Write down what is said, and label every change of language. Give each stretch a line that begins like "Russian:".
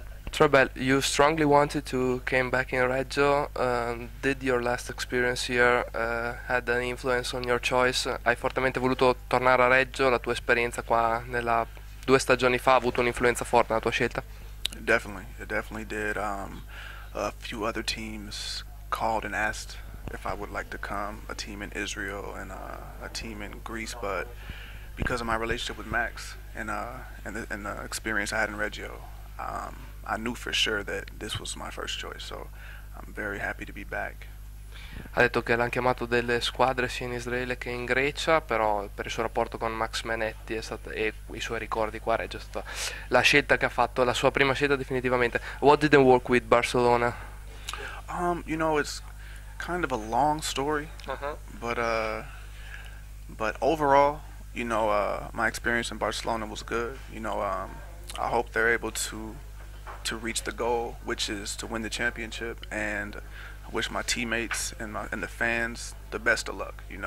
English: Trebel, you strongly wanted to come back in Reggio. Did your last experience here had an influence on your choice?
Italian: Hai fortemente voluto tornare a Reggio? La tua esperienza qua nella 2 stagioni fa ha avuto un'influenza forte nella tua scelta?
English: Definitely, it definitely did. A few other teams called and asked if I would like to come, a team in Israel and a team in Greece, but because of my relationship with Max and the experience I had in Reggio, I knew for sure that this was my first choice, so I'm very happy to be back.
Italian: Ha detto che l'hanno chiamato delle squadre sia in Israele che in Grecia, però per il suo rapporto con Max Menetti è stata, e i suoi ricordi qua è già stata la scelta che ha fatto, la sua prima scelta definitivamente.
English: What didn't work with Barcelona? It's kind of a long story, but overall, my experience in Barcelona was good. I hope they're able to reach the goal, which is to win the championship, and I wish my teammates and the fans the best of luck.